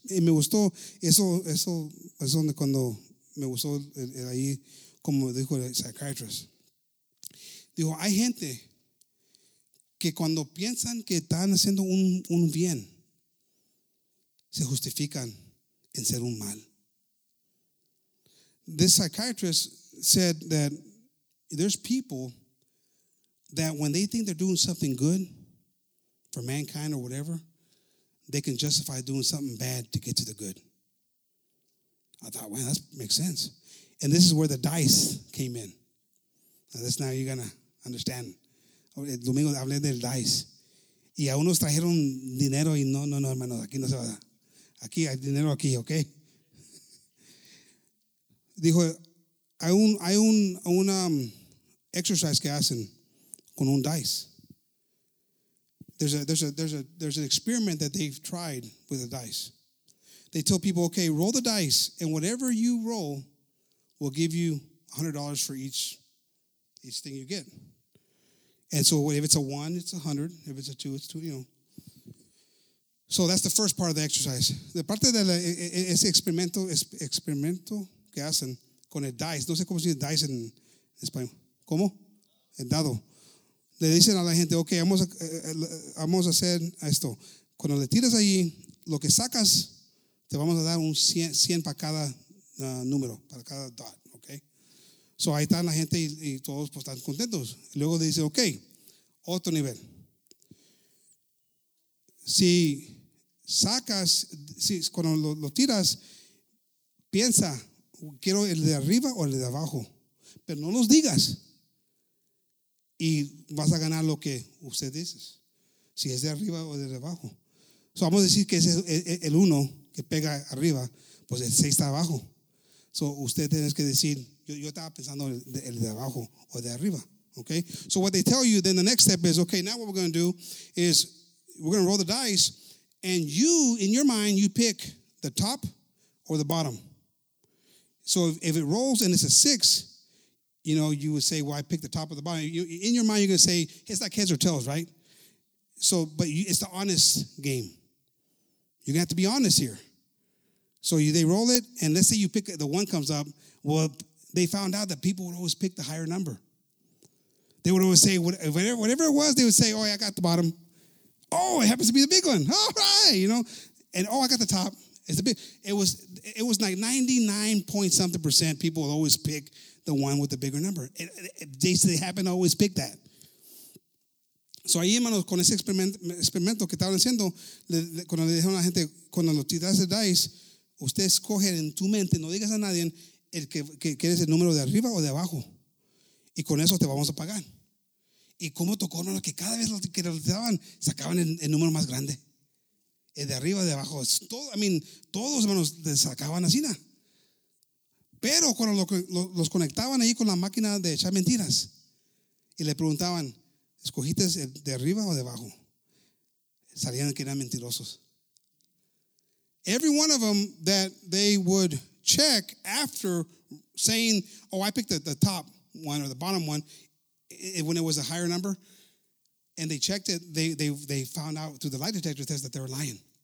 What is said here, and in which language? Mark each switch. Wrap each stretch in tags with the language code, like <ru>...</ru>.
<es>Y me gustó eso es donde cuando me gustó el ahí, como dijo el psychiatrist. Dijo, hay gente que cuando piensan que están haciendo un bien, se justifican en ser un mal.</es> <en>This psychiatrist said that there's people that when they think they're doing something good for mankind or whatever, they can justify doing something bad to get to the good. I thought, wow, that makes sense. And this is where the dice came in. Now, that's now you're going to understand. El domingo hablé del dice.</en> <es>Y a unos trajeron dinero y no, no, no, hermanos, aquí no se va a dar. Aquí hay dinero aquí, okay? Dijo, hay un exercise que hacen con un dice.</es> <en>There's an experiment that they've tried with a dice. They tell people, okay, roll the dice, and whatever you roll will give you $100 for each thing you get. And so if it's a one, it's 100. If it's a two, it's 2, you know. So that's the first part of the exercise.</en> <es>The parte de la, ese experimento, experimento que hacen con el dice. No sé cómo se dice dice en español. ¿Cómo? El dado. Le dicen a la gente, ok, vamos a hacer esto. Cuando le tiras ahí, lo que sacas, te vamos a dar un 100 para cada número, para cada dot, ok. So ahí están la gente y todos pues, están contentos. Luego le dicen, ok, otro nivel. Si sacas, si, cuando lo tiras, piensa, quiero el de arriba o el de abajo, pero no los digas. Y vas a ganar lo que usted dice, si es de arriba o de abajo. So vamos a decir que es el uno que pega arriba, pues el seis está abajo. So usted tiene que decir, yo estaba pensando el de abajo o de arriba. Okay?</es> <en>So what they tell you, then the next step is, okay, now what we're going to do is we're going to roll the dice, and you, in your mind, you pick the top or the bottom. So if it rolls and it's a six, you know, you would say, well, I picked the top or the bottom. In your mind, you're going to say, it's like heads or tails, right? So, but you, it's the honest game. You're going to have to be honest here. So they roll it, and let's say you pick, the one comes up. Well, they found out that people would always pick the higher number. They would always say, whatever it was, they would say, oh, yeah, I got the bottom. Oh, it happens to be the big one. All right, you know. And, oh, I got the top. It's a big, it was like 99.something% people would always pick the one with the bigger number. They happen to always pick that.</en> <es>So ahí, hermanos, con ese experimento que estaban haciendo, cuando le dijeron a la gente, cuando lo tiras el dice, usted escoge en tu mente, no digas a nadie, el que quieres el número de arriba o de abajo. Y con eso te vamos a pagar. Y cómo tocó, hermano, que cada vez que lo tiraban, sacaban el número más grande. El de arriba, de abajo. Todos, hermanos, le sacaban así, ¿no? Pero cuando los conectaban ahí con la máquina de echar mentiras y le preguntaban, ¿escogiste de arriba o de abajo? Sabían que eran mentirosos.</es> <en>Every one of them that they would check after saying, oh, I picked the top one or the bottom one, when it was a higher number, and they checked it, they found out through the lie detector test that they were lying.</en>